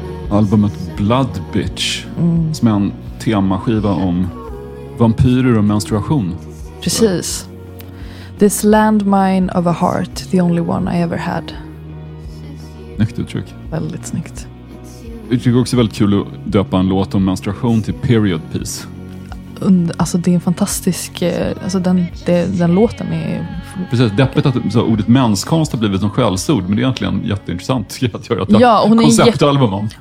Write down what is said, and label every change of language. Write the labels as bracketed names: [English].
[Swedish] Albumet Blood Bitch, som är en temaskiva om vampyrer och menstruation. Precis. [English] This landmine of a heart, the only one I ever had. [Swedish] Snyggt uttryck. Väldigt snyggt. Det är också väldigt kul att döpa en låt om menstruation till period piece. Alltså det är en fantastisk, alltså den låten är... Precis, deppet att så ordet menskonst har blivit som skällsord, men det är egentligen jätteintressant att göra ett konceptalbum om.